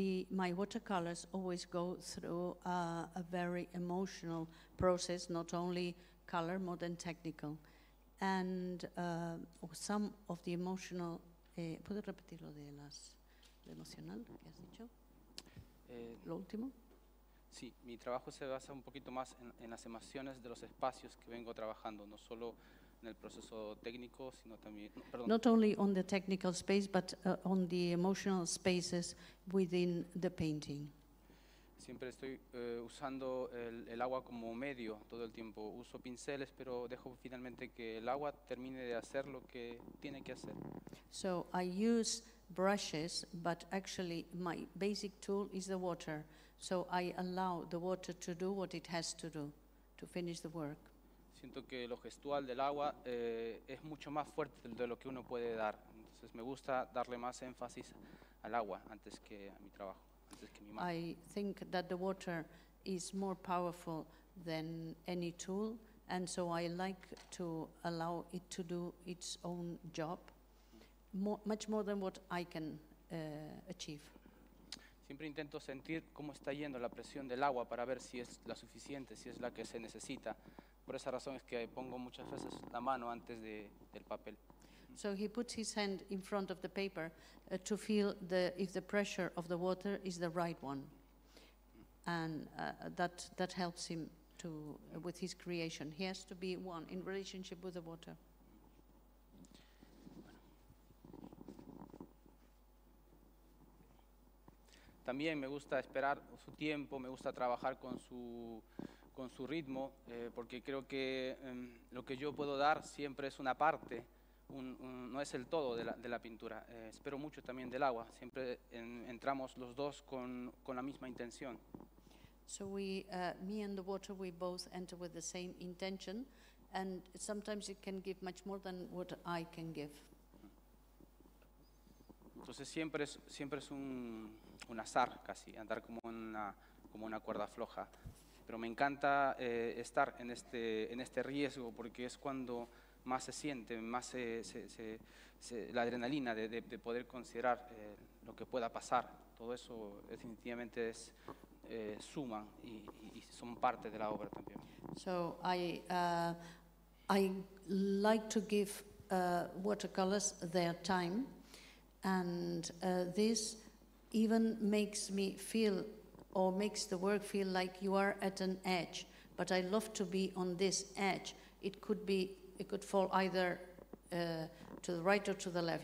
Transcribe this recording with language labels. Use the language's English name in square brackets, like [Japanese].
[English] My watercolors always go through a very emotional process, not only color, more than technical. And some of the emotional... [Spanish] ¿Puedes repetir lo de lo emocional que has dicho? ¿Lo último? Sí, mi trabajo se basa un poquito más en las emociones de los espacios que vengo trabajando, no solo en el proceso técnico, sino también, perdón. [English] Not only on the technical space, but on the emotional spaces within the painting. [Spanish] Siempre estoy usando el agua como medio todo el tiempo. Uso pinceles, pero dejo finalmente que el agua termine de hacer lo que tiene que hacer. [English] So I use brushes, but actually my basic tool is the water. So I allow the water to do what it has to do, to finish the work. [Spanish] Siento que lo gestual del agua es mucho más fuerte de lo que uno puede dar. Entonces me gusta darle más énfasis al agua antes que a mi trabajo, antes que mi mano. [English] I think that the water is more powerful than any tool, and so I like to allow it to do its own job, much more than what I can achieve. [Spanish] Siempre intento sentir cómo está yendo la presión del agua para ver si es la suficiente, si es la que se necesita Por esa razón es que pongo muchas veces la mano antes de, del papel. [English] So he puts his hand in front of the paper to feel the, if the pressure of the water is the right one. And that helps him to with his creation. He has to be one in relationship with the water. [Spanish] También me gusta esperar su tiempo, me gusta trabajar con su ritmo, porque creo que lo que yo puedo dar siempre es una parte, no es el todo de la pintura. Espero mucho también del agua, siempre entramos los dos con la misma intención. [English] So we, me and the water, we both enter with the same intention, and sometimes it can give much more than what I can give. [Spanish] Entonces siempre es un azar casi, andar como una cuerda floja. Pero me encanta estar en este riesgo porque es cuando más se siente, más se la adrenalina de poder considerar lo que pueda pasar. Todo eso definitivamente es suma y son parte de la obra también. [English] So I like to give watercolors their time. And this even makes me feel, or makes the work feel like you are at an edge. But I love to be on this edge. It could be, it could fall either to the right or to the left.